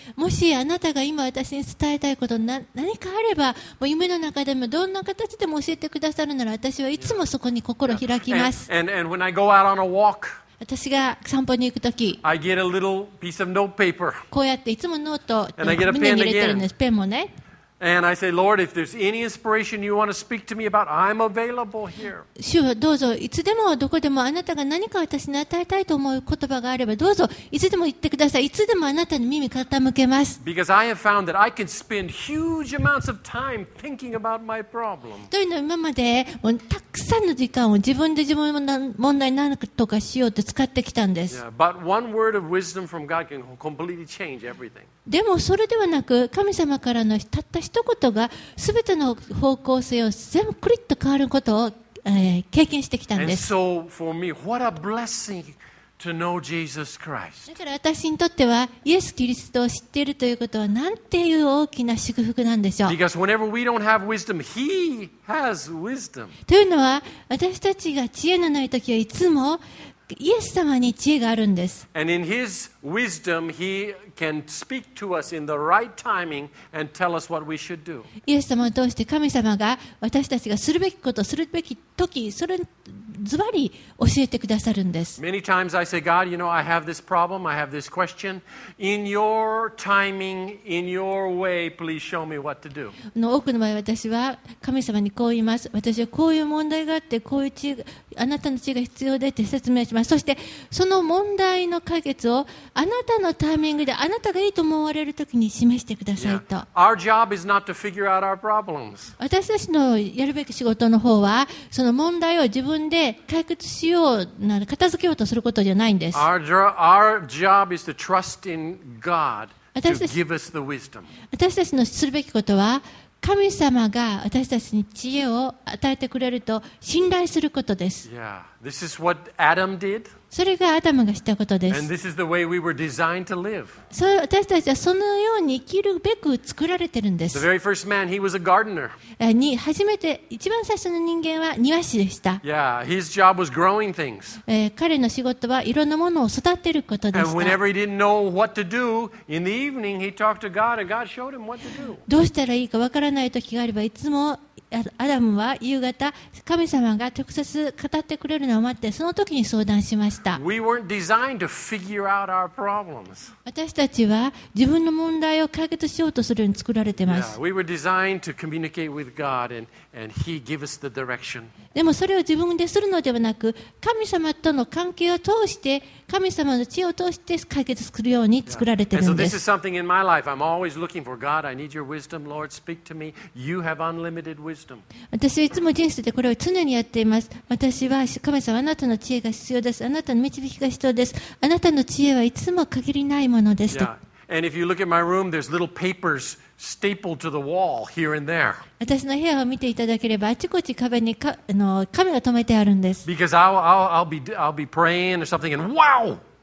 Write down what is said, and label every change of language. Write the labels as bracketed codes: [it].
[ja] もしあなたが今私に伝えたいこと何かあれば、もう夢の中でもどんな形でも教えてくださるなら、私はいつもそこに心を開きます。 [en] and when I go out on a walk, [ja] 私が散歩に行くとき、 [en] I get a little piece of note paper. [ja] こうやっていつもノートを胸に入れてるんです。 ペンもね。 [en] And I say, Lord, if there's any inspiration you want to speak to me about, I'm available here. [ja] 主はどうぞいつでもどこでもあなたが何か私に与えたいと思う言葉があればどうぞいつでも言ってください。いつでもあなたに耳傾けます。 [en] Because I have found that I can spend huge amounts of time thinking about my problem. [ja] というのは今までもうたくさんの時間を自分で自分の問題なんかとかしようと使ってきたんです。 [en] Yeah, but one word of wisdom from God can completely change everything. [ja] でもそれではなく神様からのたった一言が全ての方向性を全部クリッと変わることを、経験してきたんです。 [en] And so for me, what a blessing to know Jesus Christ. [ja] だから私にとってはイエス・キリストを知っているということはなんていう大きな祝福なんでしょう。 [en] Because whenever we don't have wisdom, he has wisdom. [ja] というのは私たちが知恵のないときはいつもイエス様に知恵があるんです。 [en] And in his wisdom, he can speak to us in the right timing and tell us what we should do. [ja] イエス様を通して神様が私たちがするべきことするべき時それズバリ教えてくださるんです。 [en] Many times I say, God, you know, I have this problem, I have this question. In your timing, in your way, please show me what to do. [ja] 多くの場合私は神様にこう言います。私はこういう問題があって、こういう知恵、あなたの知恵が必要でって説明します。そしてその問題の解決をあなたのタイミングであなたがいいと思われるときに示してくださいと。 [en] Our job is not to figure out our problems. [ja] 私たちのやるべき仕事の方はその問題を自分で解決しよう、片付けようとすることじゃないんです。 [en] Our job is to trust in God to give us the wisdom. [ja] 私たちのするべきことは神様が私たちに知恵を与えてくれると信頼することです。 [en] Yeah, this is what Adam did. [ja] それがアダムがしたことです。 [en] And this is the way we were designed to live. [ja] 私たちはそのように生きるべく作られてるんです。 [en] The very first man, he was a gardener. [ja] 初めて一番最初の人間は庭師でした。 [en] Yeah, his job was growing things. [ja] 彼の仕事はいろんなものを育てることでした。 [en] And whenever he didn't know what to do, in the evening he talked to God and God showed him what to do. [ja] どうしたらいいかわからない時があればいつもアダムは夕方神様が直接語ってくれるのを待ってその時に相談しました。 [en] We weren't designed to figure out our problems. [ja] 私たちは自分の問題を解決しようとするように作られています。 [en] Yeah, we were designed to communicate with God and he gave us the direction. [ja] でもそれを自分でするのではなく神様との関係を通して神様の知恵を通して解決するように作られているんです。 [en] And so this is something in my life. I'm always looking for God. I need your wisdom. Lord, speak to me. You have unlimited wisdom. [ja] 私はいつも人生でこれを常にやっています。私は神様あなたの知恵が必要です。あなたの導きが必要です。あなたの知恋はいつも限りないものですと。 [en] Yeah. And if you look at my room, there's little papers stapled to the wall here and there. [ja] 私の部屋を見ていただければあちこち壁に紙が留めてあるんです。 [en] Because I'll be praying or something and wow!